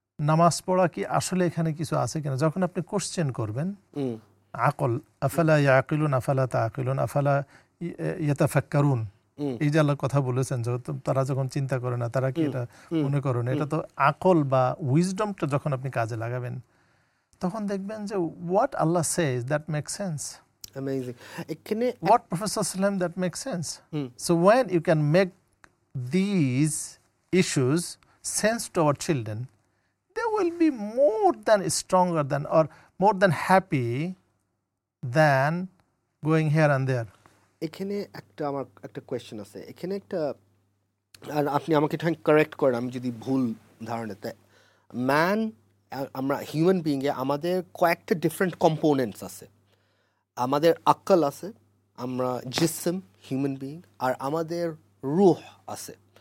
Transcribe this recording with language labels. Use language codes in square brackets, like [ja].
[bn] নামাজ পড়া কি আসলে এখানে কিছু আছে কিনা, যখন আপনি কোশ্চেন করবেন আকল, [ar] আফালা ইয়াকিলুন আফালা তাআকিলুন আফালা ইয়াতাফাক্কারুন, [bn] এই যে আল্লাহ কথা বলেছেন যে তারা যখন চিন্তা করে না তারা কি এটা মনে করে না, এটা তো আকল বা উইজডমটা যখন আপনি কাজে লাগাবেন তখন দেখবেন যে [en] what Allah says that makes sense. Amazing. What Professor Salam that makes sense. So when you can make these issues sense to our children, they will be more than stronger than or more than happy than going here and there. [bn] এখানে একটা আমার একটা question আছে, এখানে একটা আপনি আমাকে correct করেন আমি যদি ভুল ধারণাতে, man আমরা হিউম্যান বিইংয়ে আমাদের কয়েকটা ডিফারেন্ট কম্পোনেন্টস আছে, আমাদের আকল আছে, আমরা জিসম হিউম্যান বিইং, আর আমাদের রুহ আছে।